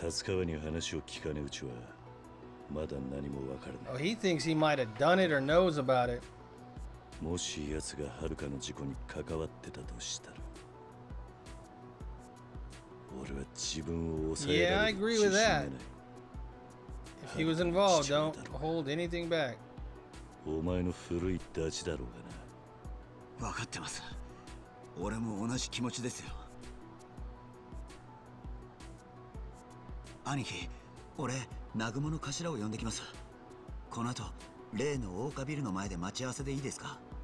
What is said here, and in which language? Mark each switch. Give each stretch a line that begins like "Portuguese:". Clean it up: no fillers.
Japanese: 達川に話を聞かねうちはまだ何もわからない。
English: Oh, he thinks he might have done it or knows about it.
Japanese: もし奴が遥の事故に関わってたとしたら、俺は自分を抑えられる自信がない。
English: If he was involved, don't hold anything back.
Japanese: お前の古いダチだろうがな。分かってます。俺も同じ気持ちですよ。兄貴、俺南雲の頭を呼んできます。この後例の大花ビルの前で待ち合わせでいいですか。